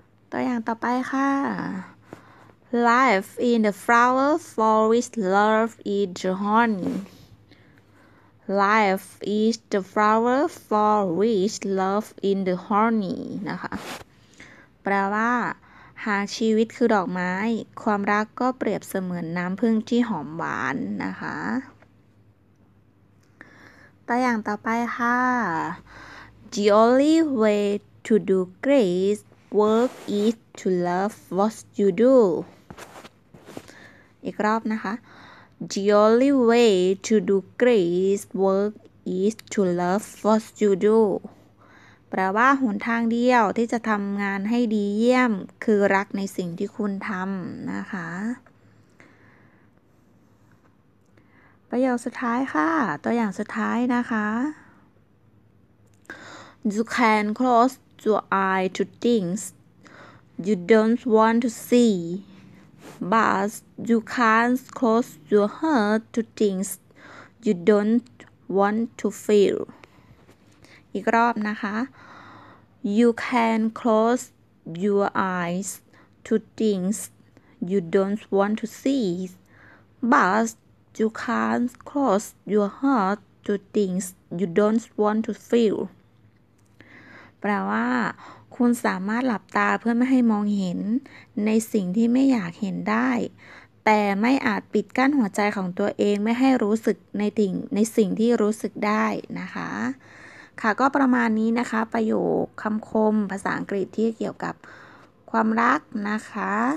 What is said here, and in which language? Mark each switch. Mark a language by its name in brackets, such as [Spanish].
[Thai] ตัวอย่างต่อไปค่ะ [English] Life in the flower forest love is the honey Life is the flower forest love in the honey [Thai] นะคะแปลว่าหากชีวิตคือดอกไม้ความรักก็เปรียบเสมือนน้ำผึ้งที่หอมหวานนะคะ ตัวอย่างต่อไปค่ะ [English] The only way to do great work is to love what you do [Thai] อีกรอบนะคะ [English] The only way to do great work is to love what you do. [Thai] แปลว่าหนทางเดียวที่จะทำงานให้ดีเยี่ยมคือรักในสิ่งที่คุณทำนะคะประโยคสุดท้ายค่ะตัวอย่างสุดท้ายนะคะ [English] You can close your eyes to things you don't want to see, but you can't close your heart to things you don't want to feel. [Thai] อีกรอบนะคะ [English] You can close your eyes to things you don't want to see, but you can't close your heart to things you don't want to feel. [Thai] แปลว่าคุณสามารถหลับตาเพื่อไม่ให้มองเห็นในสิ่งที่ไม่อยากเห็นได้แต่ไม่อาจปิดกั้นหัวใจของตัวเองไม่ให้รู้สึกในสิ่งที่รู้สึกได้นะคะค่ะก็ประมาณนี้นะคะประโยคคำคมภาษาอังกฤษที่เกี่ยวกับความรักนะคะ